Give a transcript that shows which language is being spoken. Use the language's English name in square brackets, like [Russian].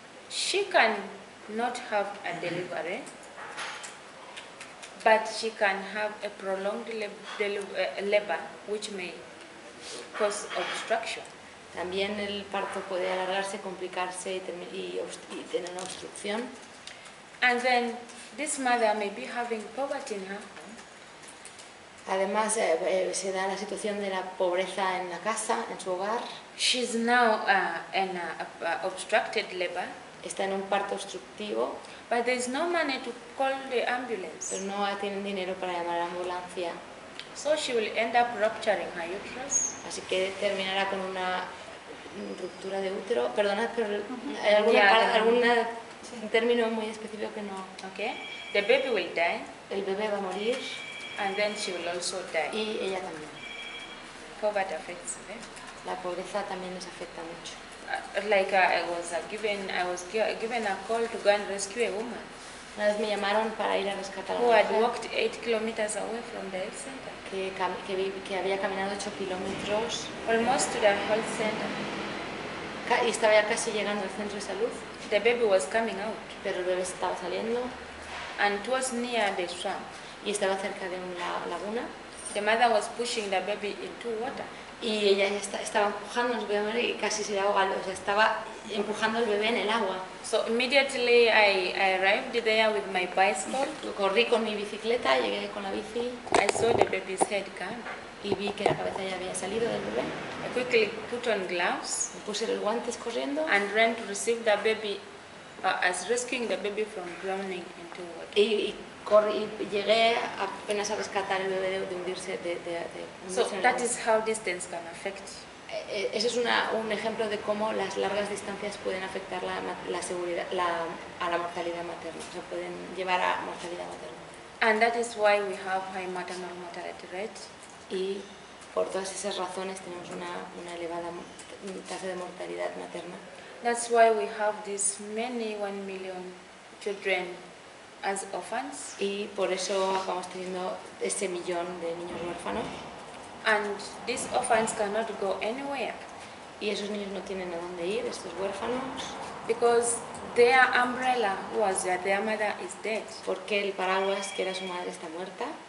[English] She can not have a delivery, but she can have a prolonged labor, which may cause obstruction. [Spanish] También el parto puede alargarse, complicarse y tener una obstrucción. [English] And then this mother may be having poverty in her home. [Spanish] Además se da la situación de la pobreza en la casa, en su hogar. [English] She's now in a obstructed labor. [Spanish] Está en un parto obstructivo. [English] But there's no money to call the ambulance. [Spanish] Pero no tienen dinero para llamar a la ambulancia. [English] So she will end up rupturing her uterus. [Spanish] Así que terminará con una ruptura de útero. Perdona, pero hay algún término muy específico que no. [English] Okay. The baby will die. [Spanish] El bebé va a morir. [English] And then she will also die. [Spanish] Y ella también. [English] Poverty affects. [Spanish] La pobreza también nos afecta mucho. [English] I was given a call to go and rescue a woman. [Spanish] Una vez me llamaron para ir a rescatar a una mujer. [English] Who had walked 8 kilometers away from the health center. [Spanish] Que había caminado 8 kilómetros. [English] Almost to the health center. [Spanish] Y estaba ya casi llegando al centro de salud. [English] The baby was coming out. [Spanish] Pero el bebé estaba saliendo. [English] And it was near the swamp. [Spanish] Y estaba cerca de una laguna. [English] The mother was pushing the baby into water. [Spanish] Y ella ya estaba empujando al bebé y casi se ahoga. O sea, estaba empujando al bebé en el agua. [English] So immediately I arrived there with my bicycle. [Spanish] Corrí con mi bicicleta, llegué con la bici. [English] I saw the baby's head come. [Spanish] Y vi que la cabeza ya había salido del bebé. [English] I quickly put on gloves. [Spanish] Me puse los guantes corriendo. [English] And ran to receive the baby, as rescuing the baby from drowning into water. [Spanish] Y llegué apenas a rescatar el bebé de hundirse. [English] So that is how distance can affect. [Spanish] Ese es un ejemplo de cómo las largas distancias pueden afectar la seguridad, a la mortalidad materna. O sea, pueden llevar a mortalidad materna. [English] And that is why we have high maternal mortality rate. [Spanish] Y por todas esas razones tenemos una elevada tasa de mortalidad materna. [English] That's why we have this many 1 million children as orphans. [Spanish] Y por eso acabamos teniendo ese millón de niños huérfanos. [English] And these orphans cannot go anywhere. [Spanish] Y esos niños no tienen a dónde ir, estos huérfanos. [English] Because their umbrella was that their mother is dead. [Spanish] Porque el paraguas que era su madre está muerta.